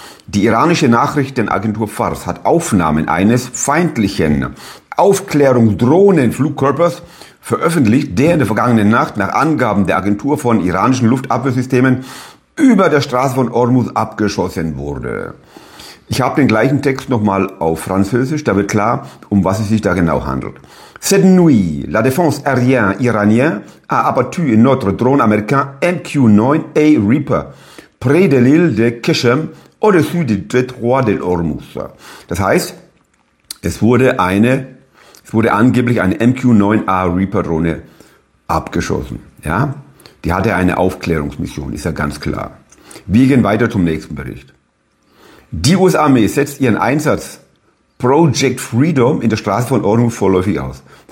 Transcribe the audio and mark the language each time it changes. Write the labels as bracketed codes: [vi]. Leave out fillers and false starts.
[de] Die iranische Nachrichtenagentur Fars hat Aufnahmen eines feindlichen Aufklärungsdrohnenflugkörpers veröffentlicht, der in der vergangenen Nacht nach Angaben der Agentur von iranischen Luftabwehrsystemen über der Straße von Hormuz abgeschossen wurde. Ich habe den gleichen Text nochmal auf Französisch, da wird klar, um was es sich da genau handelt. [fr] Cette nuit, la défense aérienne iranienne a abattu notre drone américain MQ-9A Reaper près de l'île de Keshem au-dessus du détroit de l'Hormuz. [de] Das heißt, es wurde angeblich eine MQ-9A Reaper Drohne abgeschossen. Ja, die hatte eine Aufklärungsmission, ist ja ganz klar. Wir gehen weiter zum nächsten Bericht. Die US-Armee setzt ihren Einsatz Project Freedom in der Straße von Hormuz vorläufig aus.